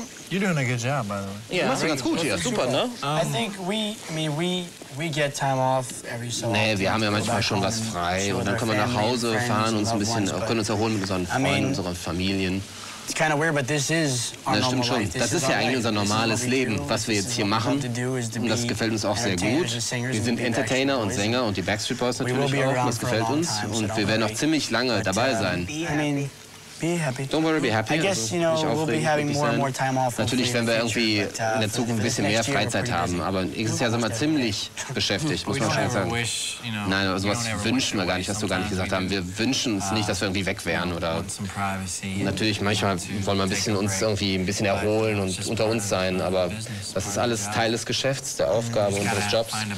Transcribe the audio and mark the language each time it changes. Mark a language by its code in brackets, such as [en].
[en] You're doing a good job, by the way. [de] Yeah, machst du ganz gut hier. Super, ne? [en] I think we get time off every so often. [de] Nee, wir haben ja manchmal schon was frei und dann können wir nach Hause fahren, uns ein bisschen, können uns erholen mit unseren Freunden, unserer Familien. [en] It's kind of weird, but this is our normal life. [de] Das ist ja eigentlich unser normales Leben, was wir jetzt hier machen. Und das gefällt uns auch sehr gut. Wir sind Entertainer und Sänger und die Backstreet Boys natürlich auch. Das gefällt uns und wir werden auch ziemlich lange dabei sein. [en] Don't worry, be happy. I guess, you know, we'll be having more and more time off. [de] Natürlich werden wir irgendwie in der Zukunft ein bisschen mehr Freizeit haben, aber nächstes Jahr sind wir ziemlich beschäftigt, muss man schon sagen. Nein, sowas wünschen wir gar nicht, hast du gar nicht gesagt haben. Wir wünschen uns nicht, dass wir irgendwie weg wären oder. Natürlich, manchmal wollen wir ein bisschen uns irgendwie ein bisschen erholen und unter uns sein, aber das ist alles Teil des Geschäfts, der Aufgabe und des Jobs.